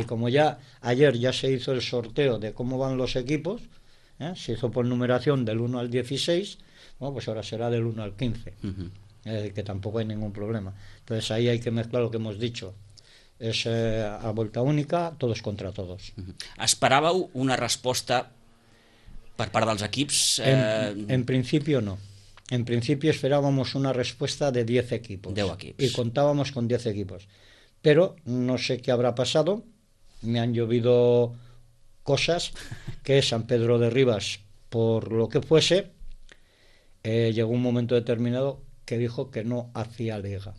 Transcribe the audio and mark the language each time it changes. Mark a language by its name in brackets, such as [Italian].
[Spanish] Y como ya ayer ya se hizo el sorteo de cómo van los equipos, se hizo por numeración del 1 al 16, bueno, pues ahora será del 1 al 15. Uh-huh. Que tampoco hay ningún problema. Entonces ahí hay que mezclar lo que hemos dicho. Es a vuelta única, todos contra todos. [Catalan] ¿Esperàveu una resposta per part dels equips? [Spanish] En principio no. En principio esperábamos una respuesta de 10 equipos. [Catalan] 10 equips. [Spanish] Y contábamos con 10 equipos. Pero no sé qué habrá pasado. Me han llovido cosas que San Pedro de Ribas, por lo que fuese, llegó un momento determinado que dijo que no hacía liga.